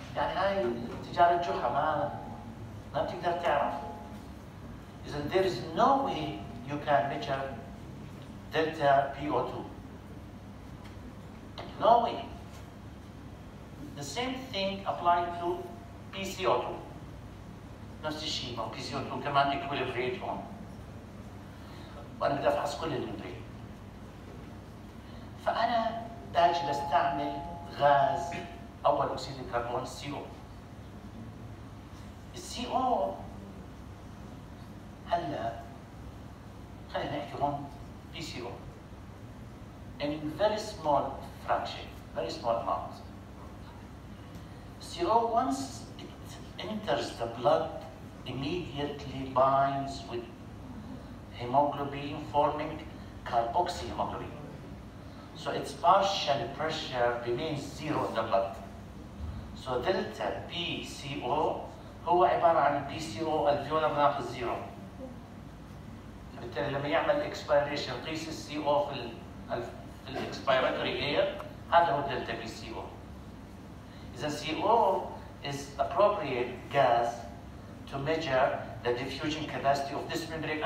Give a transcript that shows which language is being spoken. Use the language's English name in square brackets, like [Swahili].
[Arabic] يعني هاي تجارة جحا، ما بتقدر تعرف. [English] إذا there is no way you can measure delta PO2. No way. The same thing applied to PCO2. [Arabic] نفس الشيء، ما PCO2 كمان equilibrate هون. وأنا بدي أفحص كل الممبرين. فأنا باجي بستعمل غاز أول أكسيد الكربون CO. CO هلا خلينا نحكي هون PCO. [English] In very small fraction, very small amount. CO once it enters the blood immediately binds with hemoglobin forming carboxyhemoglobin. So its partial pressure remains zero in the blood. So delta PCO [Arabic] هو عبارة عن [English] PCO alveolar [Arabic] ناقص [English] zero. [Arabic] بالتالي لما يعمل expiration قيس CO في ال expiratory layer هذا هو delta PCO. [English] إذا CO is appropriate gas to measure the diffusion capacity of this membrane.